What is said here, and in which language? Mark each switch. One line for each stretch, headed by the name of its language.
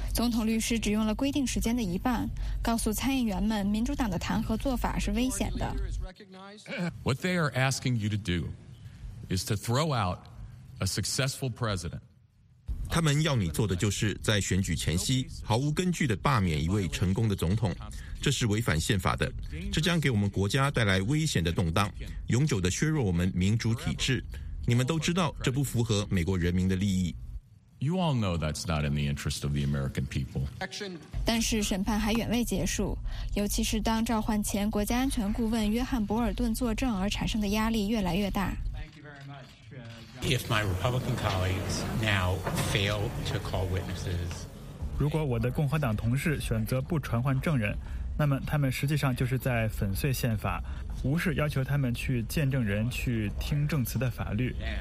Chinese: 总统律师只用了规定时间的一半，告诉参议员们，民主党的弹劾做法是危险的。
English: What they are asking you to do is to throw out a successful president.
Chinese: 他们要你做的就是在选举前夕毫无根据地罢免一位成功的总统，这是违反宪法的，这将给我们国家带来危险的动荡，永久地削弱我们民主体制。你们都知道这不符合美国人民的利益。
English: You all know that's not in the interest of the American people.
Chinese: 但是审判还远未结束，尤其是当召唤前国家安全顾问约翰·博尔顿作证而产生的压力越来越大。
English: If my Republican colleagues now fail to call witnesses,
Chinese: 如果我的共和党同事选择不传唤证人，那么他们实际上就是在粉碎宪法，无视要求他们去见证人、去听证词的法律。